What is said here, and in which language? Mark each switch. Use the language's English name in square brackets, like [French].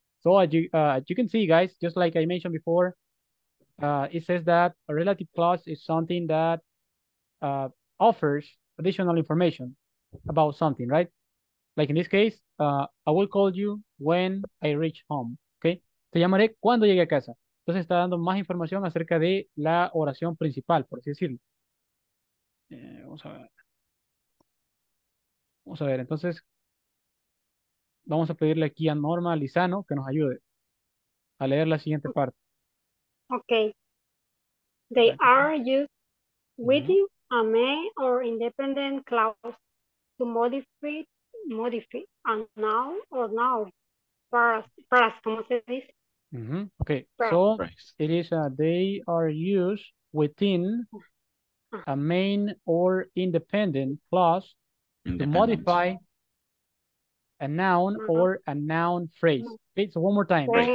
[English] So as you can see, guys, just like I mentioned before, it says that a relative clause is something that offers additional information about something, right? Like in this case, I will call you when I reach home. [Spanish] Okay, te llamaré cuando llegue a casa. Entonces está dando más información acerca de la oración principal, por así decirlo. Vamos a ver. Vamos a ver, entonces vamos a pedirle aquí a Norma Lizano que nos ayude a leer la siguiente parte. Ok. [English] They are used with you a main or independent clause to modify a noun or noun. [Spanish] Paras, ¿cómo se dice? [English] Okay, so it is they are used within a main or independent clause to modify a noun or a noun phrase. Okay, so one more time.